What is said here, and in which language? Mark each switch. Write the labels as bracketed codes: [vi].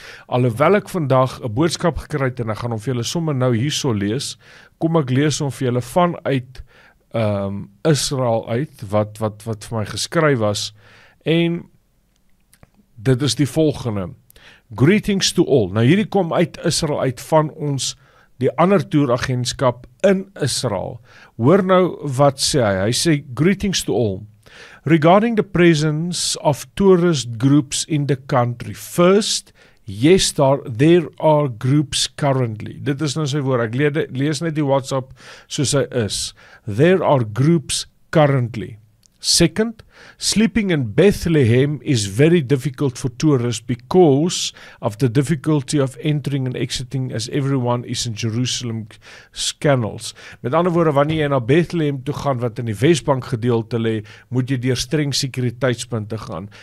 [af] Alhoewel ek vandag 'n boodskap gekry het, en ek gaan om vir julle somme nou hier so lees, kom ek lees om vir julle vanuit Israel uit, wat vir my geskryf was, en dit is die volgende. [en] Greetings to all. [af] Nou hierdie kom uit Israel uit van ons, die ander toeragentskap in Israel. Hoor nou wat sê hy. Hy sê, [en] greetings to all. Regarding the presence of tourist groups in the country. First, yes, there are groups currently. [af] Dit is nou sy woord. Ek lees net die WhatsApp soos hy is. [en] There are groups currently. Second, sleeping in Bethlehem is very difficult for tourists because of the difficulty of entering and exiting as everyone is in Jerusalem canals. [af] Met ander woorde, wanneer jy na Bethlehem toe gaan wat in die Westbank gedeelte lê, moet jy deur streng sekuriteitspunte gaan.